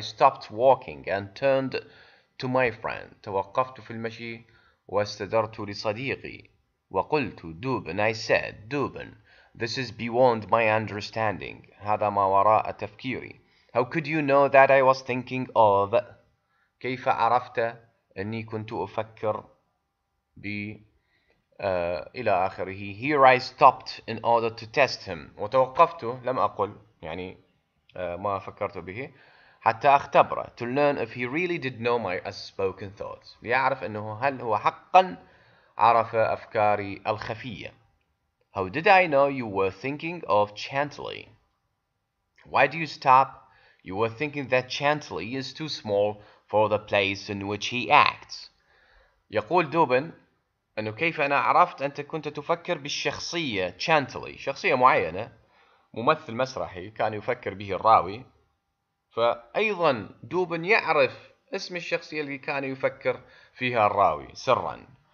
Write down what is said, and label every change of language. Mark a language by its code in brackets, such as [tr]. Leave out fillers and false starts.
[en] I stopped walking and turned to my friend. [ar] توقفت في المشي واستدرت لصديقي. وقلت دوبن. [en] I said دوبن. This is beyond my understanding. [ar] هذا ما وراء تفكيري. [en] How could you know that I was thinking of? [ar] كيف عرفت أني كنت أفكر ب إلى آخره. [en] Here I stopped in order to test him. [ar] وتوقفت لم أقل يعني ما فكرت به حتى أختبره. [en] To learn if he really did know my unspoken thoughts. [ar] ليعرف أنه هل هو حقا عرف أفكاري الخفية. [en] How did I know you were thinking of Chantley? Why do you stop? You were thinking that Chantley is too small for the place in which he acts. [ar] يقول دوبن أنه كيف أنا عرفت أنت كنت تفكر بالشخصية Chantley. شخصية معينة. ممثل مسرحي كان يفكر به الراوي. فأيضا دوبن يعرف اسم الشخصية اللي كان يفكر فيها الراوي سرا.